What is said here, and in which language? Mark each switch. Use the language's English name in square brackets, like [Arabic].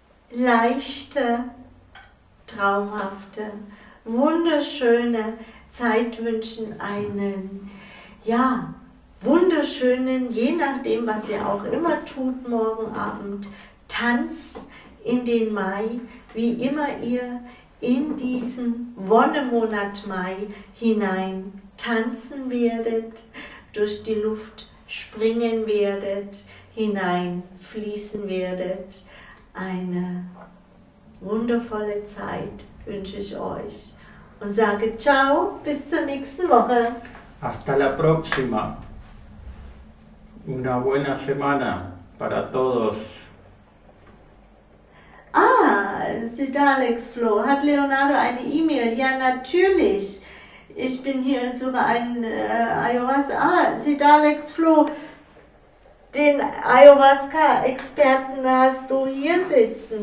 [German] leichte, traumhafte, wunderschöne Zeit wünschen, einen wunderschönen, je nachdem, was ihr auch immer tut, morgen Abend Tanz in den Mai, wie immer ihr in diesen Wonnemonat Mai hinein tanzen werdet, durch die Luft springen werdet, hineinfließen werdet. Eine wundervolle Zeit wünsche ich euch und sage ciao, bis zur nächsten Woche. [Spanish] Hasta la próxima. Una buena semana para todos. [German] Ah, Sidalex Flo, hat Leonardo eine E-Mail? Ja, natürlich. Ich bin hier und suche einen Ayahuasca. Ah, Sidalex Flo, den Ayahuasca-Experten hast du hier sitzen.